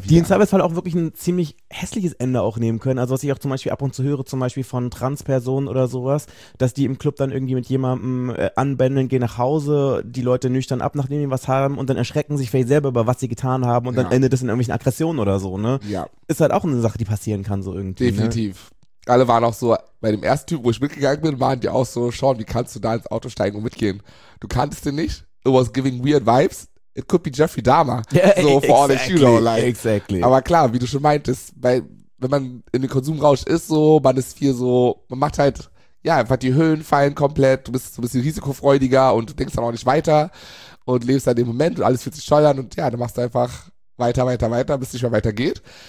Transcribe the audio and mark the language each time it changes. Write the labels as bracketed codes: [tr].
[de] die im Zweifelsfall auch wirklich ein ziemlich hässliches Ende auch nehmen können. Also was ich auch zum Beispiel ab und zu höre, zum Beispiel von Transpersonen oder sowas, dass die im Club dann irgendwie mit jemandem anbändeln, gehen nach Hause, die Leute nüchtern ab, nachdem sie was haben und dann erschrecken sich vielleicht selber über, was sie getan haben und dann endet es in irgendwelchen Aggressionen oder so, ne? Ja. Ist halt auch eine Sache, die passieren kann, so irgendwie. Definitiv. Ne? alle waren auch so, bei dem ersten Typ, wo ich mitgegangen bin, waren die auch so, Sean, wie kannst du da ins Auto steigen und mitgehen? Du kanntest den nicht? [en] It was giving weird vibes. It could be Jeffrey Dahmer. Yeah, so for exactly, all the you know, like. Exactly. [de] Aber klar, wie du schon meintest, weil wenn man in den Konsumrausch ist, so, man ist viel so, man macht halt, ja, einfach die Höhen fallen komplett, du bist so ein bisschen risikofreudiger und du denkst dann auch nicht weiter und lebst dann im Moment und alles fühlt sich toll an und ja, dann machst du einfach weiter, bis es nicht mehr weitergeht.